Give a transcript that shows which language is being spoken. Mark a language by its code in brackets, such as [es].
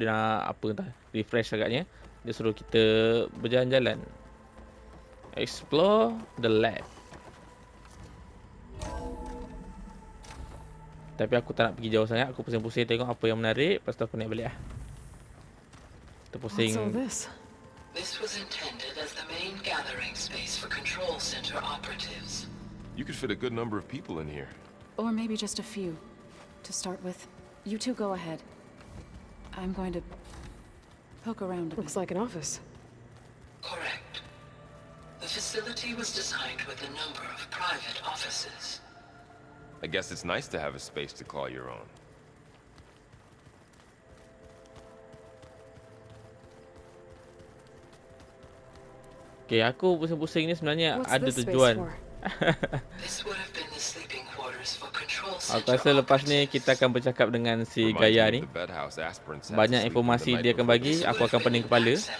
[ms] Dia nak apa entah, refresh agaknya. Dia suruh kita berjalan-jalan. [en] Explore the lab. [ms] Tapi aku tak nak pergi jauh sangat. Aku pusing-pusing tengok apa yang menarik. Lepas tu aku naik balik lah. Kita pusing. [en] This was intended as the main gathering space for control center operatives. You could fit a good number of people in here. Or maybe just a few. To start with, you two go ahead. I'm going to poke around a bit. Looks like an office. Correct. The facility was designed with a number of private offices. I guess it's nice to have a space to call your own. [ms] Okay, aku pusing-pusing ni sebenarnya ada tujuan. [en] This would have been the sleeping quarters for control center. [ms] Aku rasa lepas ni kita akan bercakap dengan si Gaya ni. Banyak informasi dia akan bagi, aku akan pening kepala.